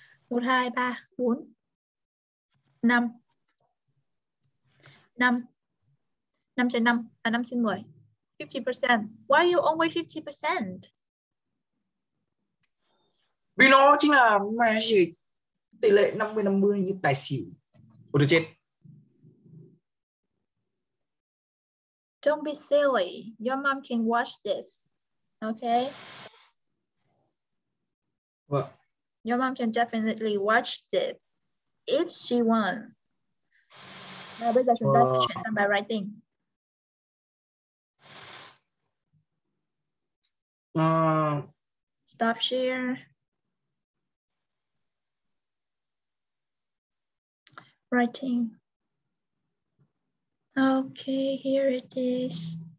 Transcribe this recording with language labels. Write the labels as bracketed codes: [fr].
[vi] 1, 2, 3, 4, 5, 5, 5 trên 5, à 5 trên 10, 50%. [en] Why are you only 50%? [vi] Vì nó chính là magic, tỷ lệ 50-50 như tài xỉu. Ủa được chết. [en] Don't be silly, your mom can watch this, okay? [vi] Vâng. [en] Your mom can definitely watch it if she want. [vi] Now, bây giờ chúng ta sẽ chuyển sang bài writing. [en] Stop share. Writing. Okay, here it is.